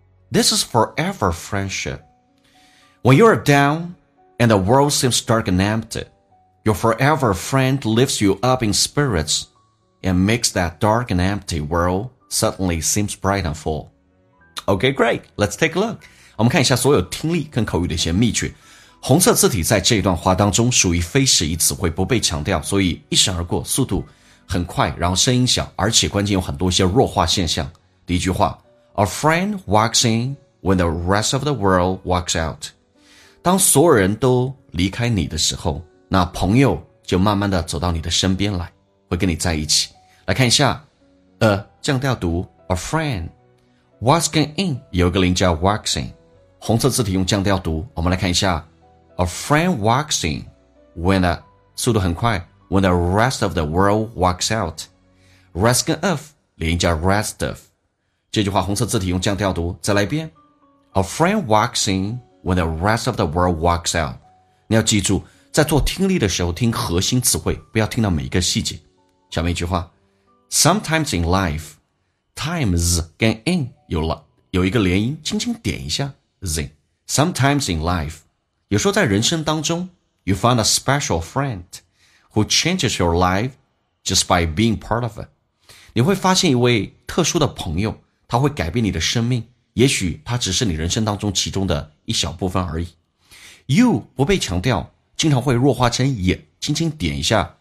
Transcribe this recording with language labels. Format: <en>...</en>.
<en>This is forever friendship. When you are down and the world seems dark and empty, your forever friend lifts you up in spirits and makes that dark and empty world suddenly seems bright and full. Okay, great. Let's take a look.</en> <zh>我们看一下所有听力跟口语的一些秘诀。红色字体在这一段话当中属于非时宜词汇，不被强调，所以一闪而过，速度很快，然后声音小，而且关键有很多一些弱化现象。第一句话，</zh> <en>A friend walks in when the rest of the world walks out.</en> <zh>当所有人都离开你的时候，那朋友就慢慢的走到你的身边来，会跟你在一起。来看一下降调读</zh> <en>A friend walking in</en> <zh>有个零叫</zh> <en>walks in，</en> <zh>红色字体用降调读。我们来看一下</zh> <en>A friend walks in when the</en> <zh>速度很快</zh> <en>when the rest of the world walks out.</en> <zh>Rest 跟 of 零叫</zh> <en>rest of，</en> <zh>这句话红色字体用降调读，再来一遍。</zh> <en>A friend walks in when the rest of the world walks out.</en> <zh>你要记住，在做听力的时候听核心词汇，不要听到每一个细节。下面一句话。</zh> <en>Sometimes in life,</en> <zh>times 跟 in 有一个连音，轻轻点一下。Zing.</zh> <en>Sometimes in life,</en> <zh>有时候在人生当中</zh> <en>you find a special friend who changes your life just by being part of it.</en> <zh>你会发现一位特殊的朋友，他会改变你的生命，也许他只是你人生当中其中的一小部分而已。 You 不被强调，经常会弱化成也，轻轻点一下。</zh>